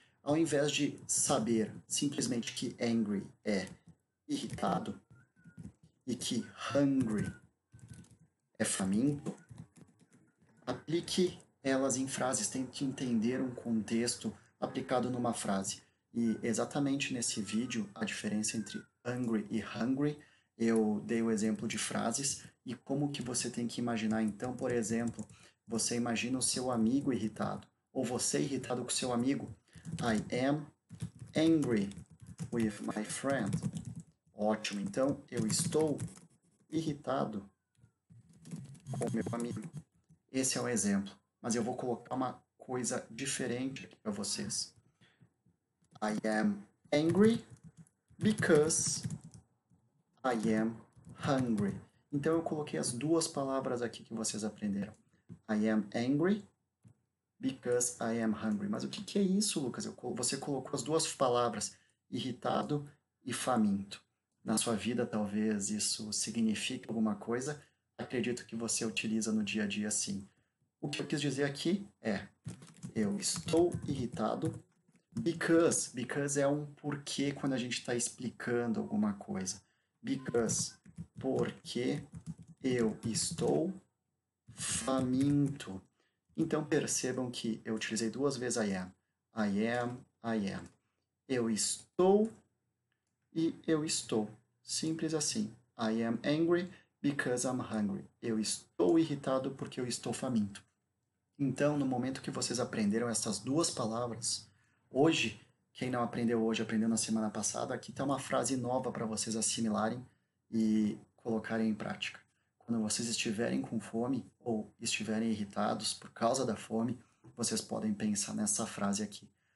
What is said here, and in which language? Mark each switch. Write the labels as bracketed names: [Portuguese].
[Portuguese] Ao invés de saber simplesmente que angry é irritado e que hungry é faminto, aplique elas em frases, tente entender um contexto aplicado numa frase. E exatamente nesse vídeo, a diferença entre angry e hungry, eu dei o exemplo de frases. E como que você tem que imaginar? Então, por exemplo, você imagina o seu amigo irritado, ou você irritado com seu amigo. [English] I am angry with my friend. [Portuguese] Ótimo. Então, eu estou irritado com meu amigo. Esse é um exemplo. Mas eu vou colocar uma coisa diferente aqui para vocês. [English] I am angry because I am hungry. [Portuguese] Então eu coloquei as duas palavras aqui que vocês aprenderam. [English] I am angry because I am hungry. [Portuguese] Mas o que que é isso, Lucas? Você colocou as duas palavras, irritado e faminto. Na sua vida, talvez isso signifique alguma coisa. Acredito que você utiliza no dia a dia, sim. O que eu quis dizer aqui é: eu estou irritado because é um porquê quando a gente está explicando alguma coisa. Because. Porque eu estou faminto. Então percebam que eu utilizei duas vezes I am. [English] I am. [Portuguese] Eu estou e eu estou. Simples assim. [English] I am angry because I'm hungry. [Portuguese] Eu estou irritado porque eu estou faminto. Então, no momento que vocês aprenderam essas duas palavras, hoje, quem não aprendeu hoje, aprendeu na semana passada, aqui está uma frase nova para vocês assimilarem e colocarem em prática. Quando vocês estiverem com fome ou estiverem irritados por causa da fome, vocês podem pensar nessa frase aqui.